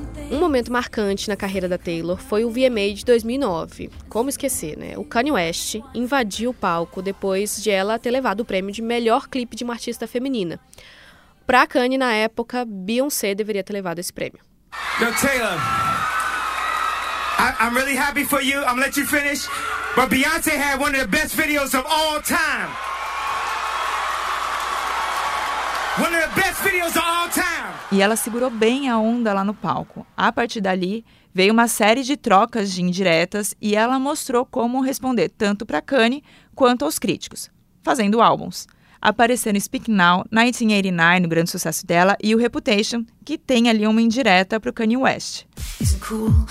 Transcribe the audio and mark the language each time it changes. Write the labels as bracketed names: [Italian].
[Portuguese] Um momento marcante na carreira da Taylor foi o VMA de 2009. Como esquecer, né? O Kanye West invadiu o palco depois de ela ter levado o prêmio de melhor clipe de uma artista feminina. Pra Kanye, na época, Beyoncé deveria ter levado esse prêmio. [English] Yo, Taylor, I'm really happy for you. I'm gonna let you finish. But Beyoncé had one of the best videos of all time. One of the best videos of all time. [Portuguese] E ela segurou bem a onda lá no palco. A partir dali, veio uma série de trocas de indiretas e ela mostrou como responder tanto para Kanye quanto aos críticos, fazendo álbuns. Apareceram Speak Now, 1989, o grande sucesso dela, e o Reputation, que tem ali uma indireta para o Kanye West. [English] It's cool.